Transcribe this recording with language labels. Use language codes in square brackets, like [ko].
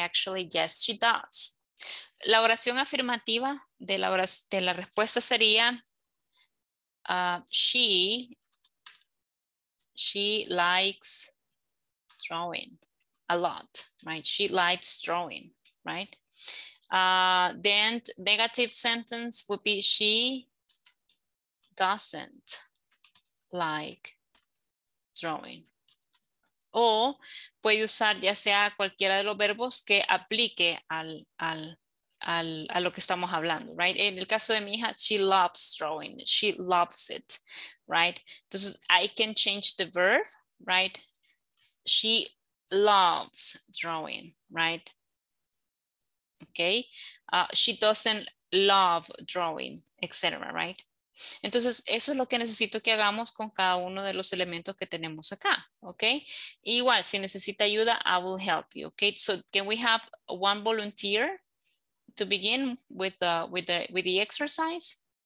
[en] Actually, yes, she does. [es] La oración afirmativa de la, respuesta sería [en] she likes drawing a lot, right? She likes drawing, right? Then negative sentence would be she doesn't like drawing. [es] O puede usar ya sea cualquiera de los verbos que aplique a lo que estamos hablando, right? En el caso de mi hija, [en] she loves drawing. She loves it, right? Entonces, I can change the verb, right? She loves drawing, right? Okay. She doesn't love drawing, etc., right? [es] Entonces, eso es lo que necesito que hagamos con cada uno de los elementos que tenemos acá, okay? Igual, si necesita ayuda, [en] I will help you, okay? So, can we have one volunteer to begin with the exercise?